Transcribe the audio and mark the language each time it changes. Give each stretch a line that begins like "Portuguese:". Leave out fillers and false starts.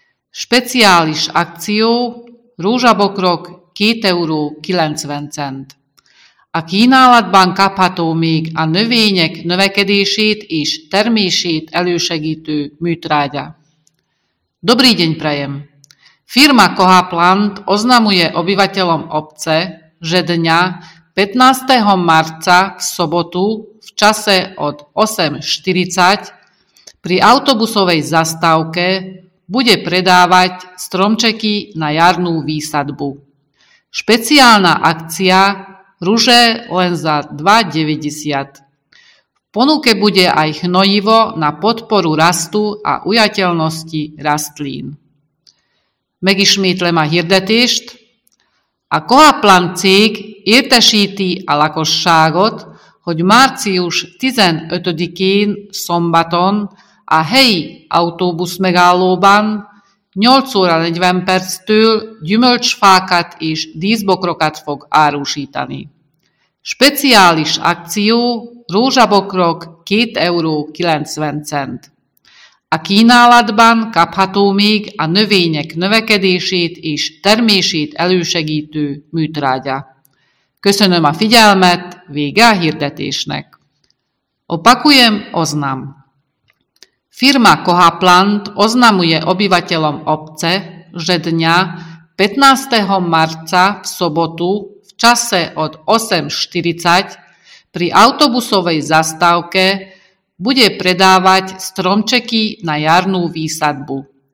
Hungarian: Speciális akció, rózsabokrok 2,90 €. A kínálatban kapható még a növények növekedését és termését elősegítő műtrágya.
Slovak: Dobrý deň prajem! Firma Kohaplant oznamuje obyvateľom obce, že dňa 15. marca v sobotu v čase od 8:40 pri autobusovej zastávke bude predávať stromčeky na jarnú výsadbu. Špeciálna akcia ruže len za 2,90. V ponuke bude aj hnojivo na podporu rastu a ujateľnosti rastlín.
Hungarian: Megismétlem a hirdetést. A Kohaplan cég értesíti a lakosságot, hogy március 15-én szombaton a helyi autóbusz megállóban 8:40-től gyümölcsfákat és díszbokrokat fog árusítani. Speciális akció, rózsabokrok 2,90 €. A kínálatban kapható még a növények növekedését és termését elősegítő műtrágya. Köszönöm a figyelmet, vége a hirdetésnek.
Slovak: Opakujem, oznam. Firma Kohaplant oznamuje obyvateľom obce, že dňa 15. marca v sobotu v čase od 8:40 pri autobusovej zastávke bude predávať stromčeky na jarnú výsadbu.